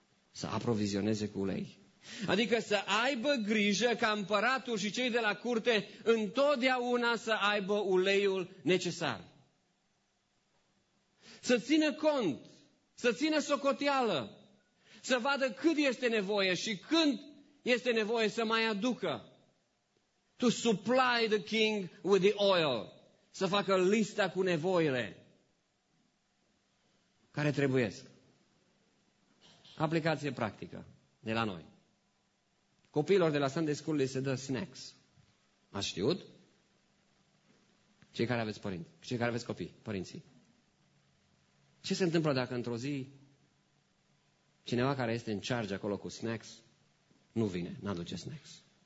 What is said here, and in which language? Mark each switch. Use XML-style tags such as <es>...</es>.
<ro>Să aprovizioneze cu ulei. Adică să aibă grijă ca împăratul și cei de la curte întotdeauna să aibă uleiul necesar. Să țină cont, să țină socoteală, să vadă cât este nevoie și când este nevoie să mai aducă.</ro> <en>To supply the king with the oil.</en> <ro>Să facă lista cu nevoile care trebuiesc. Aplicație practică de la noi. Copiilor de la Sunday School le se dă snacks. Ați știut? Cei care aveți părinți, cei care aveți copii, părinții. Ce se întâmplă dacă într-o zi cineva care este în charge acolo cu snacks nu vine, n-aduce snacks?</ro>